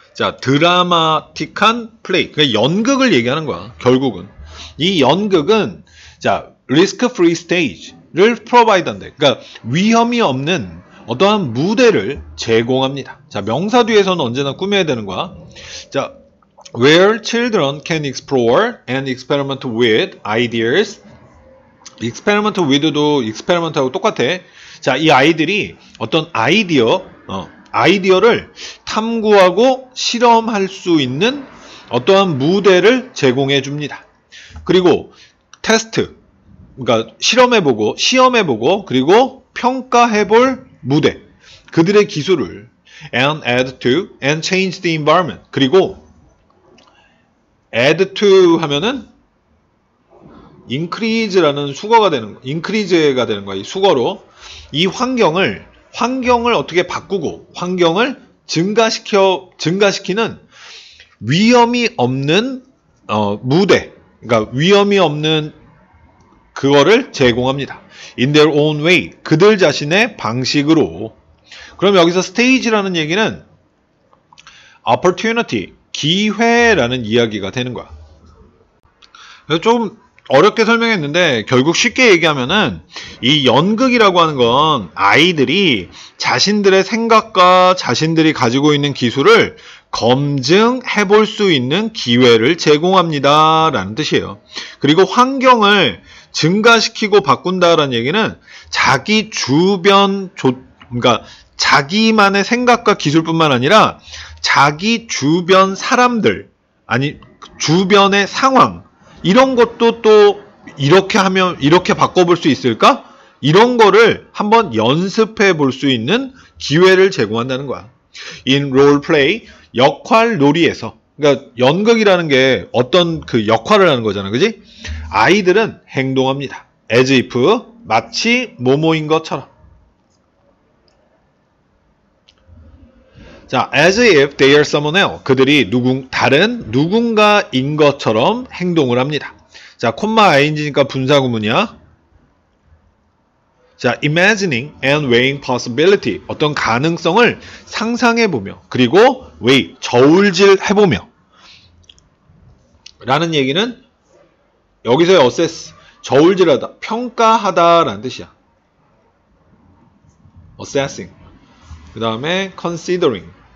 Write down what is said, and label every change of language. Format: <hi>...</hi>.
<ko>자, 드라마틱한 플레이. 그러니까 연극을 얘기하는 거야, 결국은. 이 연극은, 자, 리스크 프리 스테이지를 프로바이드한대. 그러니까 위험이 없는 어떠한 무대를 제공합니다. 자, 명사 뒤에서는 언제나 꾸며야 되는 거야.</ko> <en>자, where children can explore and experiment with ideas.</en> <ko>experiment with도 experiment하고 똑같아. 자, 이 아이들이 어떤 아이디어를 탐구하고 실험할 수 있는 어떠한 무대를 제공해 줍니다. 그리고 테스트, 그러니까 시험해보고, 그리고 평가해볼 무대, 그들의 기술을</ko> <en>and add to and change the environment.</en> <ko>그리고 add to 하면은 increase라는 수거가 되는 거, increase가 되는 거야, 이 수거로. 이 환경을 어떻게 바꾸고, 환경을 증가시키는 위험이 없는, 무대, 그러니까 위험이 없는 그거를 제공합니다.</ko> <en>In their own way,</en> <ko>그들 자신의 방식으로. 그럼 여기서 stage라는 얘기는 opportunity, 기회라는 이야기가 되는 거야. 그래서 좀 어렵게 설명했는데, 결국 쉽게 얘기하면은 이 연극이라고 하는 건 아이들이 자신들의 생각과 자신들이 가지고 있는 기술을 검증해 볼수 있는 기회를 제공합니다 라는 뜻이에요. 그리고 환경을 증가시키고 바꾼다라는 얘기는 자기 주변 그러니까 자기만의 생각과 기술뿐만 아니라 자기 주변 사람들, 아니 주변의 상황, 이런 것도 또 이렇게 하면 이렇게 바꿔볼 수 있을까? 이런 거를 한번 연습해 볼수 있는 기회를 제공한다는 거야.</ko> <en>In role play,</en> <ko>역할 놀이에서. 그러니까 연극이라는 게 어떤 그 역할을 하는 거잖아, 그지? 아이들은 행동합니다. As if, 마치 뭐뭐인 것처럼.</ko> <en>자, as if they are someone else.</en> <ko>그들이 다른 누군가인 것처럼 행동을 합니다. 자, 콤마 ing니까 분사구문이야.</ko> <en>자, imagining and weighing possibility.</en> <ko>어떤 가능성을 상상해보며, 그리고 weigh, 저울질 해보며. 라는 얘기는 여기서의 assess, 저울질하다, 평가하다라는 뜻이야. assessing. 그 다음에 considering.</ko>